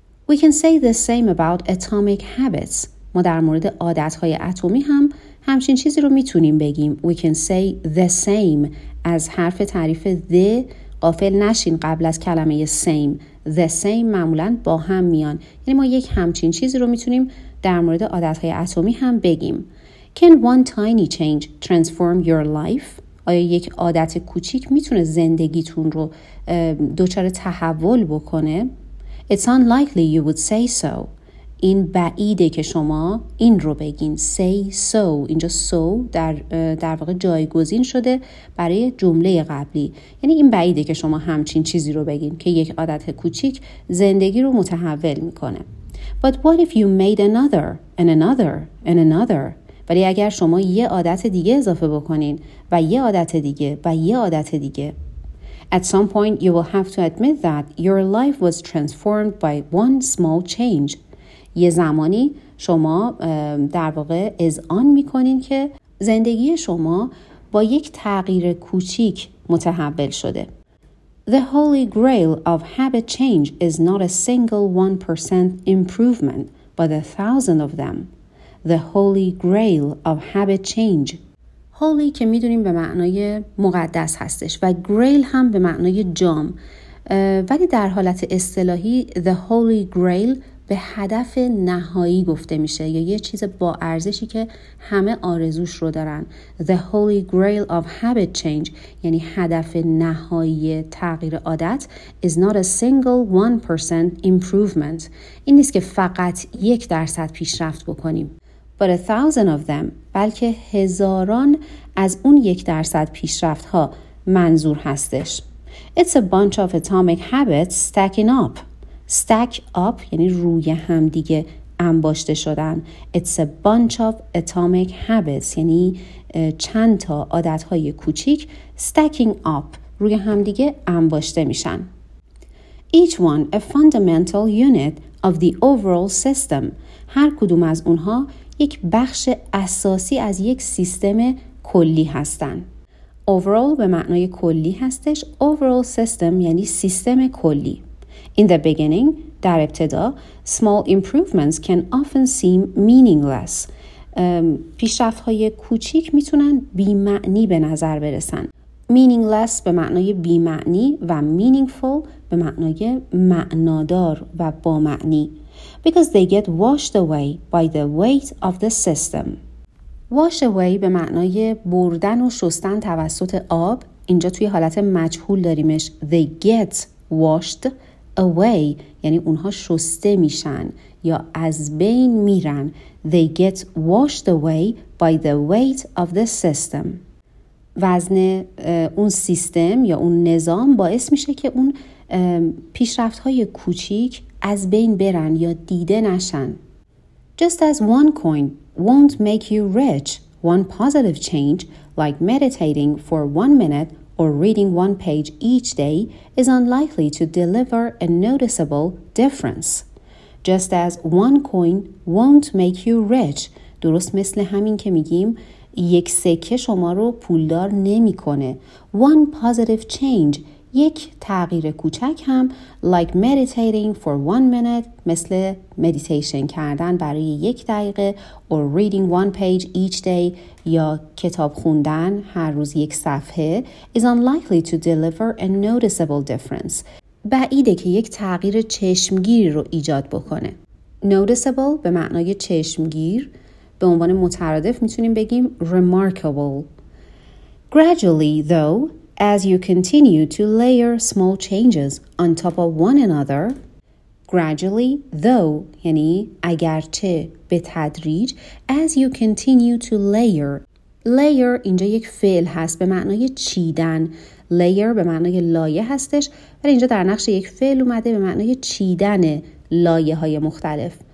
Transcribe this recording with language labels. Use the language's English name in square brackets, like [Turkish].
[English] We can say the same about atomic habits. [Persian] ما در مورد عادت‌های اتمی هم همچین چیزی رو میتونیم بگیم. [English] We can say the same. [Persian] از حرف تعریف the غافل نشین قبل از کلمه same. The same معمولاً با هم میان. یعنی ما یک همچین چیزی رو میتونیم در مورد عادت‌های اتمی هم بگیم. [English] Can one tiny change transform your life? [Persian] آیا یک عادت کوچیک میتونه زندگیتون رو دچار تحول بکنه؟ [English] It's unlikely you would say so. [Persian] این بعیده که شما این رو بگین. [English] Say so. [Persian] اینجا so در واقع جایگزین شده برای جمله قبلی. یعنی این بعیده که شما همچین چیزی رو بگین که یک عادت کوچیک زندگی رو متحول میکنه. [English] But what if you made another and another and another? [Persian] ولی اگر شما یه عادت دیگه اضافه بکنین و یه عادت دیگه و یه عادت دیگه. [English] At some point you will have to admit that your life was transformed by one small change. [Persian] یه زمانی شما در واقع اذعان میکنین که زندگی شما با یک تغییر کوچیک متحول شده. [English] The holy grail of habit change is not a single 1% improvement, but a thousand of them. The holy grail of habit change. [Persian] Holy که میدونیم به معنای مقدس هستش و grail هم به معنای جام. ولی در حالت اصطلاحی the holy grail به هدف نهایی گفته میشه یا یه چیز با ارزشی که همه آرزوش رو دارن. [English] The holy grail of habit change [Persian] یعنی هدف نهایی تغییر عادت [English] is not a single 1% improvement. [Persian] این نیست که فقط 1% پیشرفت بکنیم. [English] But a thousand of them [Persian] بلکه هزاران از اون 1% پیشرفت ها منظور هستش. [English] It's a bunch of atomic habits stacking up. [Persian] Stack up یعنی روی هم دیگه انباشته شدن. [English] It's a bunch of atomic habits [Persian] یعنی چند تا عادت‌های کوچیک [English] stacking up [Persian] روی هم دیگه انباشته میشن. [English] Each one a fundamental unit of the overall system. [Persian] هر کدوم از اونها یک بخش اساسی از یک سیستم کلی هستن. Overall به معنای کلی هستش. Overall system یعنی سیستم کلی. [English] In the beginning, [Persian] در ابتدا, [English] small improvements can often seem meaningless. [Persian] پیشرفت‌های کوچیک میتونن بی‌معنی به نظر برسن. Meaningless به معنای بی‌معنی و meaningful به معنای معنادار و بامعنی. [English] Because they get washed away by the weight of the system. [Persian] Wash away به معنای بردن و شستن توسط آب. اینجا توی حالت مجهول داریمش. [English] They get washed away [Persian] یعنی اونها شسته میشن یا از بین میرن. [English] They get washed away by the weight of the system. [Persian] وزن اون سیستم یا اون نظام باعث میشه که اون پیشرفت های کوچیک از بین برن یا دیده نشن. [English] Just as one coin won't make you rich, one positive change like meditating for one minute or reading one page each day is unlikely to deliver a noticeable difference. Just as one coin won't make you rich. [Persian] درست مثل همین که میگیم یک سکه شما رو پولدار نمی کنه. [English] One positive change. [Persian] یک تغییر کوچک هم [English] like meditating for one minute [Persian] مثل meditation کردن برای یک دقیقه [English] or reading one page each day [Persian] یا کتاب خوندن هر روز یک صفحه [English] is unlikely to deliver a noticeable difference. [Persian] بعیده که یک تغییر چشمگیر رو ایجاد بکنه. Noticeable به معنای چشمگیر، به عنوان مترادف میتونیم بگیم remarkable. [English] Gradually though, as you continue to layer small changes on top of one another, gradually though, [Persian] یعنی اگرچه به تدریج, [English] as you continue to layer. [Persian] Layer اینجا یک فعل هست به معنای چیدن. Layer به معنای لایه هستش ولی اینجا در نقش یک فعل اومده به معنای چیدن لایه های مختلف.